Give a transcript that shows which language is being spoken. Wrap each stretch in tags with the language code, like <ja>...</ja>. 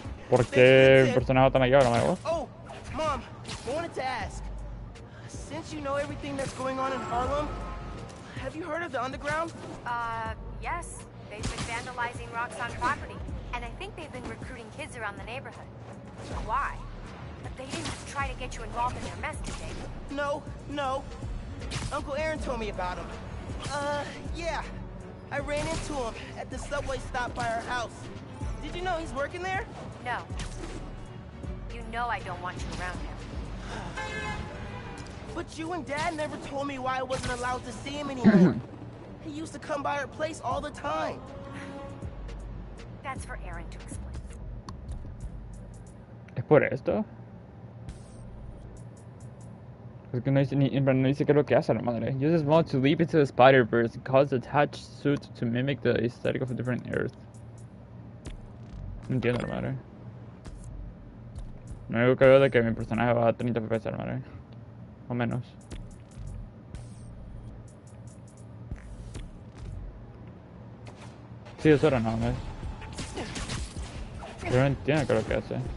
<es>¿Por qué el personaje está allá, no me voy?</es> <en>Oh, mom, I wanted to ask. Since you know everything that's going on in Harlem, have you heard of the underground? Yes. They've been vandalizing rocks on property, and I think they've been recruiting kids around the neighborhood. Why? But they didn't try to get you involved in their mess, did they? No, no. Uncle Aaron told me about him. Yeah. I ran into him at the subway stop by our house. Did you know he's working there? No. You know I don't want you around him. But you and Dad never told me why I wasn't allowed to see him anymore. He used to come by our place all the time. That's for Aaron to explain.</en> <es>¿Es por esto? Es que no dice, no dice qué es lo que hace la madre.</es> <en>Use this mod to leap into the Spider-Verse and cause the attached suit to mimic the aesthetic of a different Earth.</en> <es>No entiendo la madre. No me creo de que mi personaje va a 30 FPS la madre. O menos. Sí, eso era nada más. Yo no entiendo qué es lo que hace.</es>